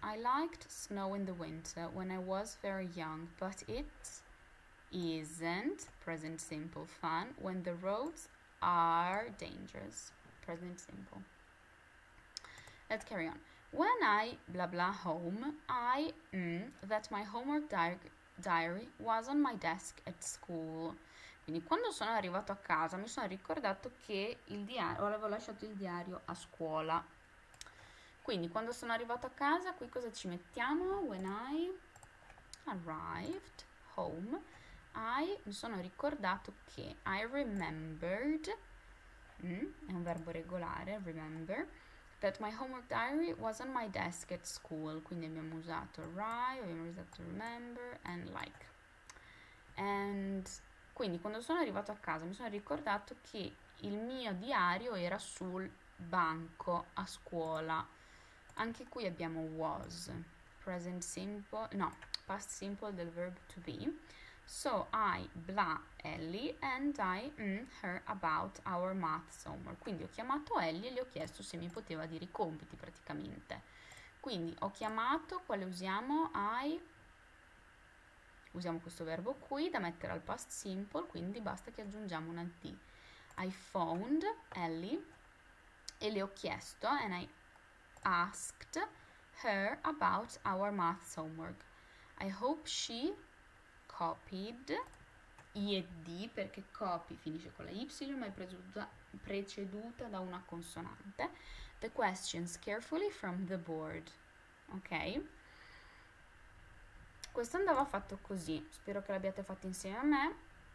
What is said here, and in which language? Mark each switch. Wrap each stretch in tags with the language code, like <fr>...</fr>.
<en>I liked snow in the winter when I was very young, but it isn't present simple fun when the roads are dangerous. Present simple. Let's carry on. When I blah blah home, I that my homework diary was on my desk at school.</en> <it>Quindi quando sono arrivato a casa mi sono ricordato che il diario avevo lasciato il diario a scuola. Quindi quando sono arrivato a casa, qui cosa ci mettiamo?</it> <en>When I arrived home, I</en> <it>mi sono ricordato che</it> <en>I remembered,</en> <it>è un verbo regolare,</it> <en>remember, that my homework diary was on my desk at school.</en> <it>Quindi abbiamo usato arrive, abbiamo usato remember and like. And quindi quando sono arrivato a casa mi sono ricordato che il mio diario era sul banco a scuola. Anche qui abbiamo was, present simple, no, past simple del verb to be.</it> <en>So I blah Ellie and I her about our maths homework.</en> <it>Quindi ho chiamato Ellie e gli ho chiesto se mi poteva dire i compiti praticamente. Quindi ho chiamato, quale usiamo? Usiamo questo verbo qui da mettere al past simple, quindi basta che aggiungiamo una T.</it> <en>I phoned Ellie</en> <it>e le ho chiesto,</it> <en>and I asked her about our maths homework. I hope she copied,</en> <it>ied, perché copy finisce con la y ma è preceduta da una consonante,</it> <en>the questions carefully from the board. Ok?</en> <it>Questo andava fatto così, spero che l'abbiate fatto insieme a me.</it>